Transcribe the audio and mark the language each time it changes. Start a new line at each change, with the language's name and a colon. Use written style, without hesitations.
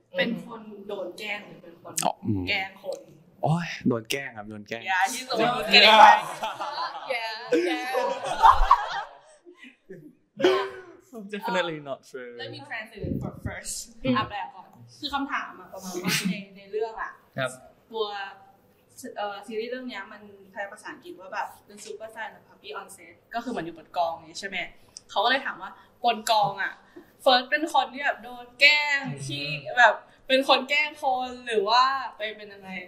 Thai: เป็นคนโดนแกล้งหรือเป็นคนแกล้งคน โอ้ยโดนแกล้งครับโดนแกล้ง
English: yeah he's the one getting back yeah definitely not true let me translate it for first
Thai: อ่ะแปลก่อนคือคําถามอ่ะประมาณว่าในเรื่องอ่ะ ครับ ตัวซีรีส์เรื่องเนี้ยมันแปลภาษาอังกฤษว่าแบบเป็น
English: superstar and puppy on set
Thai: ก็คือเหมือนอยู่บนกองเงี้ยใช่มั้ยเขาก็เลยถามว่าบนกองอ่ะเฟิร์สเป็นคนที่แบบโดนแกล้งที่แบบเป็นคนแกล้งคนหรือว่าไปเป็นยังไง